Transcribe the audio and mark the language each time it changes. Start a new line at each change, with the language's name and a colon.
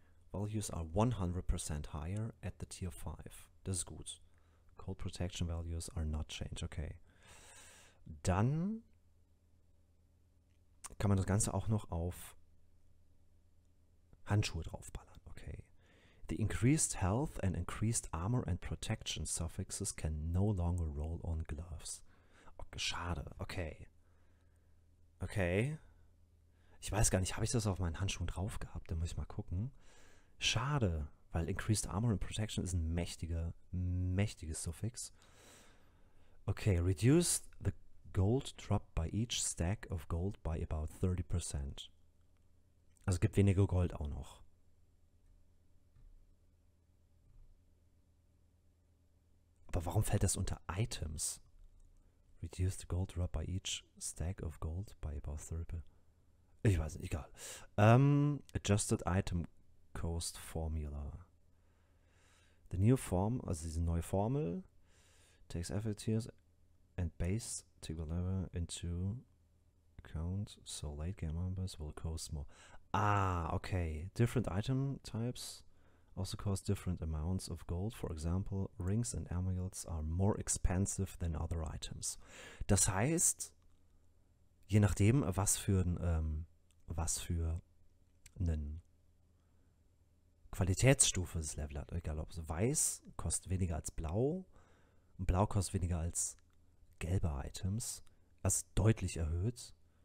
English: Values are 100% higher at the Tier 5. Das ist gut. Cold Protection Values are not changed. Okay.
German: Dann kann man das Ganze auch noch auf Handschuhe draufballern. Okay.
English: The Increased Health and Increased Armor and Protection Suffixes can no longer roll on gloves.
German: Okay, schade. Okay. Okay. Ich weiß gar nicht, habe ich das auf meinen Handschuhen drauf gehabt? Da muss ich mal gucken. Schade, weil Increased Armor and Protection ist ein mächtiges Suffix.
English: Okay, reduce the gold drop by each stack of gold by about 30%.
German: Also es gibt weniger Gold auch noch.
English: Aber warum fällt das unter Items? Reduce the gold drop by each stack of gold by about 30%.
German: Ich weiß nicht, egal. Adjusted Item Cost Formula.
English: The new form, also diese neue Formel, takes effort years and base to deliver into account, so late game members will cost more. Ah, okay. Different item types also cost different amounts of gold. For example, rings and amulets are more expensive than other items.
German: Das heißt, je nachdem, was für einen Qualitätsstufe das Level hat, egal ob es weiß, kostet weniger als blau und blau kostet weniger als gelbe Items, also deutlich erhöht.